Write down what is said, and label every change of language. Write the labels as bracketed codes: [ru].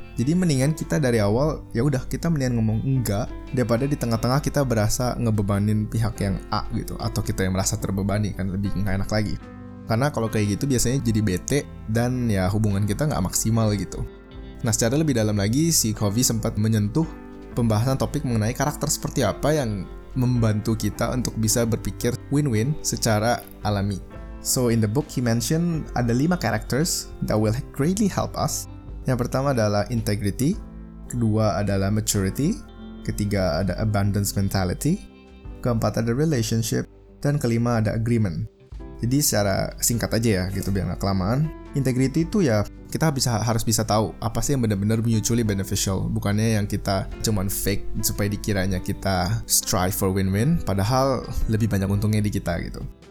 [id] Jadi mendingan kita dari awal, ya udah kita mendingan ngomong enggak, daripada di tengah-tengah kita berasa ngebebanin pihak yang A gitu, atau kita yang merasa terbebani, kan lebih nggak enak lagi. Karena kalau kayak gitu biasanya jadi bete, dan ya hubungan kita nggak maksimal gitu. Nah, secara lebih dalam lagi, si Covey sempat menyentuh pembahasan topik mengenai karakter seperti apa yang membantu kita untuk bisa berpikir win-win secara alami. [en] So in the book he mentioned [id] ada [en] 5 characters that will greatly help us. [id] Yang pertama adalah integrity, kedua adalah maturity, ketiga ada abundance mentality, keempat ada relationship, dan kelima ada agreement. Jadi secara singkat aja ya gitu biar nggak kelamaan. Integrity itu ya kita harus bisa tahu apa sih yang benar-benar [en] mutually beneficial, [id] bukannya yang kita cuman fake supaya dikiranya kita [en] strive for win-win [id] padahal lebih banyak untungnya di kita gitu.